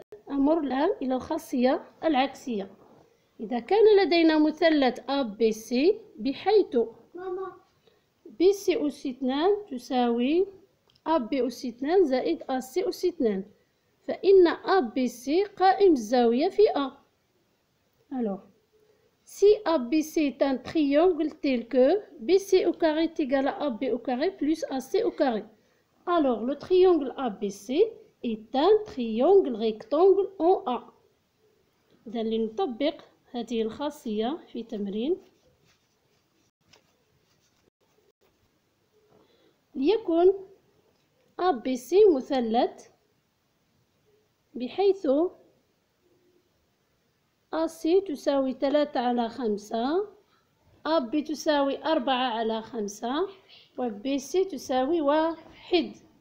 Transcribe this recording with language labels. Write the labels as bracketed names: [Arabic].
[Arabic] أمر الآن إلى الخاصية العكسية. إذا كان لدينا مثلث ABC بحيث BC أس اثنان تساوي AB أس اثنان زائد AC أس اثنان، فإن ABC قائم الزاوية في A. [French] alors si ABC est un triangle tel que BC au carré est égal à AB au carré plus AC au carré. alors le triangle ABC est un triangle rectangle en A. [Arabic] إذن لنطبق هذه الخاصية في تمرين. ليكن ABC مثلث بحيث AC تساوي 3 على 5، AB تساوي 4 على 5، وBC تساوي 1.